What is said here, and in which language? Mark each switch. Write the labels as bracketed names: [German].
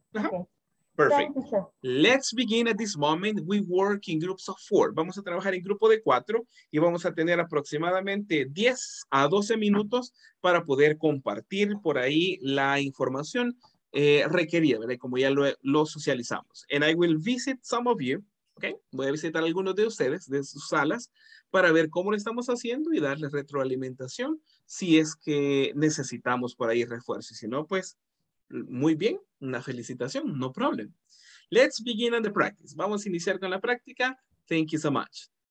[English] Perfect. Let's begin at this moment. We work in groups of four. [Spanish] Vamos a trabajar en grupo de cuatro y vamos a tener aproximadamente 10 a 12 minutos para poder compartir por ahí la información requerida, ¿verdad? Como ya lo socializamos. [English] And I will visit some of you, okay? [Spanish] Voy a visitar a algunos de ustedes, de sus salas, para ver cómo lo estamos haciendo y darles retroalimentación si es que necesitamos por ahí refuerzo. Si no, pues, muy bien, una felicitación, [English] no problem. Let's begin on the practice. [Spanish] Vamos a iniciar con la práctica. [English] Thank you so much.